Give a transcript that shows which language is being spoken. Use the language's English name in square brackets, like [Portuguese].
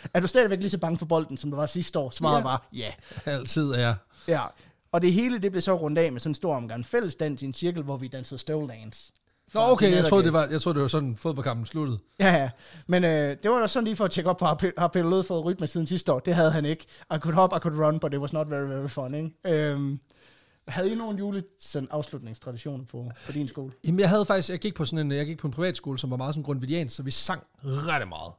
[Danish] Er du stadigvæk lige så bange for bolden, som du var sidste år? Svaret var ja. Altid, ja. Ja, og det hele det blev så rundt af med sådan en stor omgang fælles dans i en cirkel, hvor vi dansede støvledance. Nå, okay, jeg troede, det var sådan, fodboldkampen sluttede. Ja, ja. Men det var da sådan lige for at tjekke op på, har Peter Løde fået rytme siden sidste år? Det havde han ikke. [English] I could hop, I could run, but it was not very, very fun, ikke? [Danish] Havde I nogen juleafslutningstradition på din skole? Jamen, jeg gik på en privatskole, som var meget sådan grundvidiansk, så vi sang ret meget.